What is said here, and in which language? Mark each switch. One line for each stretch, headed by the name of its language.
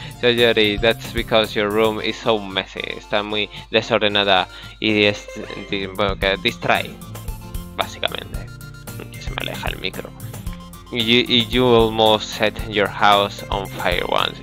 English: Sayori, that's because your room is so messy.
Spanish: Está muy desordenada y bueno, que distrae, básicamente. Y se me aleja el micro.
English: You almost set your house on fire once.